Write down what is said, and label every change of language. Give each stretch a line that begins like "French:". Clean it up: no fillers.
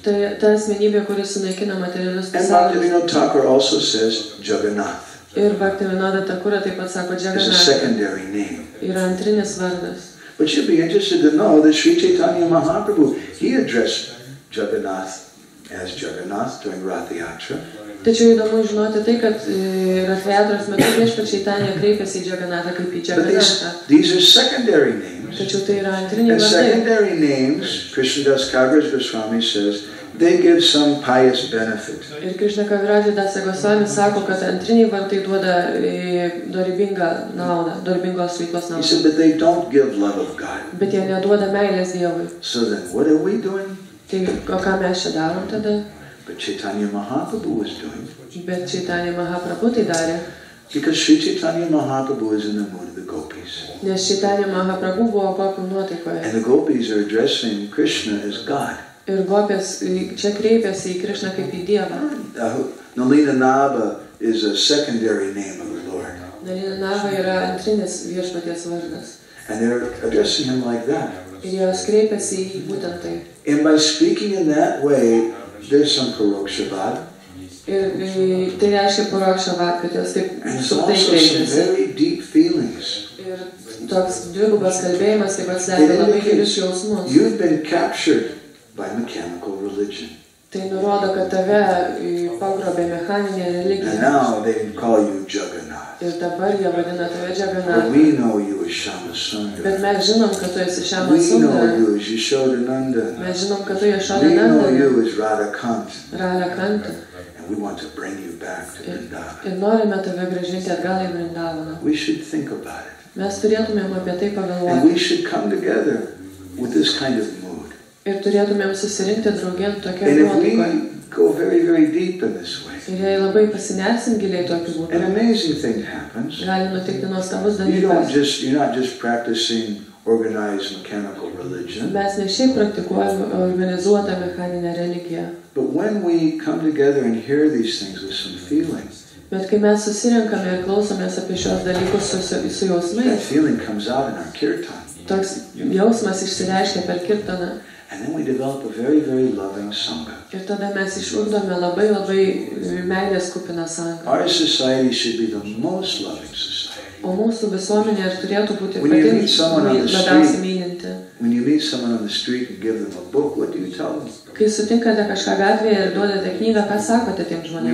Lithuanian: Ta asmenybė, kuri sunaikina materialius pasaulius.
English: And Bhaktivinoda Thakura also says Jagannath.
Lithuanian: Ir Bhaktivinoda Thakura taip pat sako Jagannath.
English: It's a secondary name.
Lithuanian: Yra antrinis vardas.
English: But you'd be interested to know that Sri Chaitanya Mahaprabhu, he addressed Jagannath as Jagannath during Ratha Yatra.
Lithuanian: Tačiau įdomu žinoti tai, kad Ratha Yatras metu viešpats Chaitanya kreipėsi į Jagannatą kaip į Jagannatą.
English: These are secondary names.
Lithuanian: Tačiau tai yra antriniai vardai.
English: And secondary names, Krishna Das Kaviraj Goswami says, they give some pious benefit.
Lithuanian: Ir Krishna Kaviraj Das Goswami sako, kad antriniai vardai duoda dorybingą naudą, dorybingos veiklos naudą.
English: He said, but they don't give love of God.
Lithuanian: Bet jie neduoda meilės Dievui.
English: So then, what are we doing?
Lithuanian: Tai o ką mes čia darom tada?
English: But Chaitanya Mahaprabhu was doing.
Lithuanian: Bet Chaitanya Mahaprabhu tai darė.
English: Because Sri Chaitanya Mahaprabhu is in the mood of the gopis.
Lithuanian: Nes Chaitanya Mahaprabhu buvo gopių nuotaikoje.
English: And the gopis are addressing Krishna as God.
Lithuanian: Ir gopės čia kreipiasi į Krishna kaip į Dievą.
English: Nalina Nava is a secondary name of the Lord.
Lithuanian: Nalina Nava yra antrinis viešpaties vardas.
English: And they're addressing him like that.
Lithuanian: Ir jos kreipiasi į būtent tai.
English: And by speaking in that way, there's some paroksha bhav.
Lithuanian: Ir tai reiškia paroksha bhav, kad jos taip sutaikėjusi. Ir toks dvigubas kalbėjimas taip pat slepia labai gilius jausmus.
English: You've been captured by mechanical religion.
Lithuanian: Tai nurodo, kad tave pagrobė mechaninė religija.
English: And now they call you Jagannath.
Lithuanian: Ir dabar jie vadina tave Jagannath.
English: But we know you as Shamasundara.
Lithuanian: Bet mes žinom, kad tu esi Shamasundara.
English: We know you as Yashodananda.
Lithuanian: Mes žinom, kad tu esi Yashodananda.
English: We know you as Radhakant.
Lithuanian: Radhakant.
English: We want to bring you back to Vrindavan.
Lithuanian: Ir norime tave grąžinti atgal į Vrindavaną.
English: We should think about it.
Lithuanian: Mes turėtumėm apie tai pagalvoti.
English: And we should come together with this kind of mood.
Lithuanian: Ir turėtumėm susirinkti drauge tokia nuotaika.
English: And if we go very, very deep in this way.
Lithuanian: Ir jei labai pasinersim giliai tokiu būdu.
English: An amazing thing happens.
Lithuanian: Gali nutikti nuostabus dalykas.
English: You're not just practicing organized mechanical religion.
Lithuanian: Mes ne šiaip praktikuojame organizuotą mechaninę religiją.
English: But when we come together and hear these things with some feeling,
Lithuanian: bet kai mes susirenkame ir klausomės apie šios dalykus su jausmais,
English: that feeling comes out in our kirtan.
Lithuanian: Toks jausmas išsireiškia per kirtaną.
English: And then we develop a very, very loving sangha.
Lithuanian: Ir tada mes išugdome labai, labai meilės kupiną sangą.
English: Our society should be the most loving society.
Lithuanian: O mūsų visuomenė turėtų būti labiausiai mylinti.
English: When you meet someone on the street and give them a book, what do you tell them?
Lithuanian: Kai sutinkate kažką gatvėje ir duodate knygą, ką sakote tiem žmonėms?